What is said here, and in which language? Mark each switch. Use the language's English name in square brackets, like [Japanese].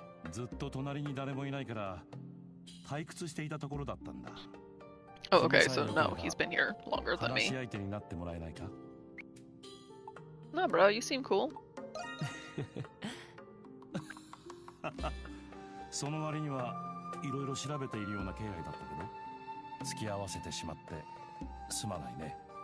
[Japanese] ずっと隣に誰もいないから退屈していたところだったんだ。 [English] Oh, okay, so now he's been here longer than me. [Japanese] 話し相手になってもらえないか？ [English] Nah, bro, you seem cool. [Japanese] その割にはいろいろ調べているような気配だったけど、付き合わせてしまってすまないね。